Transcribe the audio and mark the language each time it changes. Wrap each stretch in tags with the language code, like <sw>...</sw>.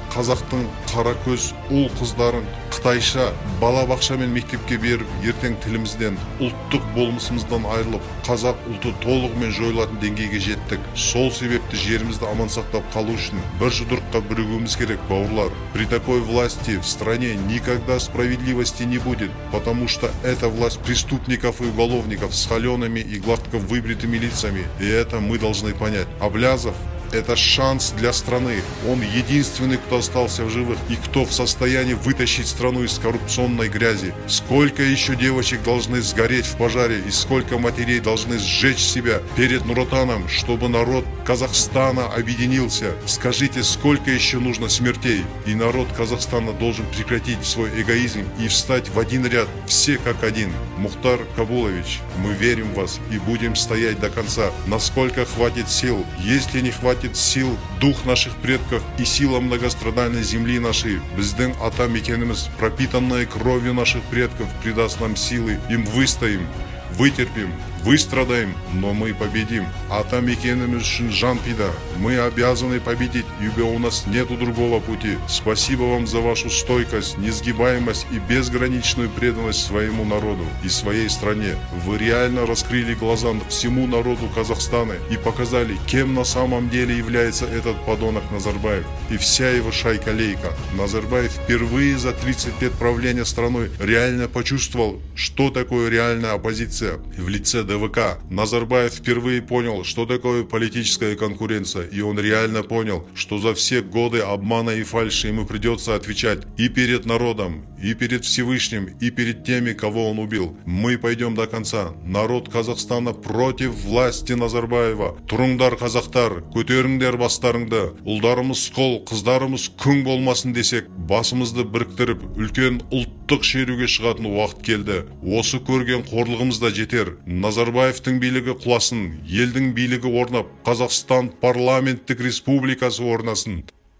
<kk>Қазақтың қара көз ұл-қыздарын қытайша балабақша мен мектепке беріп, ертең тілімізден, ұлттық болмысымыздан айырылып, қазақ ұлты толығымен жойылатын деңгейге жеттік. Сол себепті жерімізді аман сақтап қалу үшін бір жұдырыққа бірігуіміз керек, бауырлар.</kk> <ru>При такой власти в стране никогда справедливости не будет, потому что это власть преступников и уголовников с холеными и гладко выбритыми лицами. И это мы должны понять. Аблязов это шанс для страны. Он единственный, кто остался в живых и кто в состоянии вытащить страну из коррупционной грязи. Сколько еще девочек должны сгореть в пожаре и сколько матерей должны сжечь себя перед Нуротаном, чтобы народ Казахстана объединился? Скажите, сколько еще нужно смертей? И народ Казахстана должен прекратить свой эгоизм и встать в один ряд, все как один. Мухтар Кабулович, мы верим в вас и будем стоять до конца. Насколько хватит сил? Если не хватит, хватит сил, дух наших предков и сила многострадальной земли нашей. Біздің ата мекеніміз, пропитанная кровью наших предков, придаст нам силы. Им выстоим, вытерпим, выстрадаем, но мы победим.</ru> <kk>Ата мекеніміз үшін жан пида.</kk> <ru>Мы обязаны победить, ибо у нас нету другого пути. Спасибо вам за вашу стойкость, несгибаемость и безграничную преданность своему народу и своей стране. Вы реально раскрыли глаза всему народу Казахстана и показали, кем на самом деле является этот подонок Назарбаев и вся его шайка-лейка. Назарбаев впервые за 30 лет правления страной реально почувствовал, что такое реальная оппозиция в лице ДВК. Назарбаев впервые понял, что такое политическая конкуренция. И он реально понял, что за все годы обмана и фальши ему придется отвечать и перед народом, и перед Всевышним, и перед теми, кого он убил. Мы пойдем до конца. Народ Казахстана против власти Назарбаева.</ru> <kk>Тұрыңдар, қазақтар, көтеріңдер бастарыңды. Ұлдарымыз қол, қыздарымыз күң болмасын десек, басымызды біріктіріп, үлкен ұлттық шеруге шығатын уақыт келді. Осы көрген қорлығымыз да жетер. Назарбаевтың билігі құласын, елдің билігі орнап, Қазақстан парламенттік республикасы орнасын.</kk>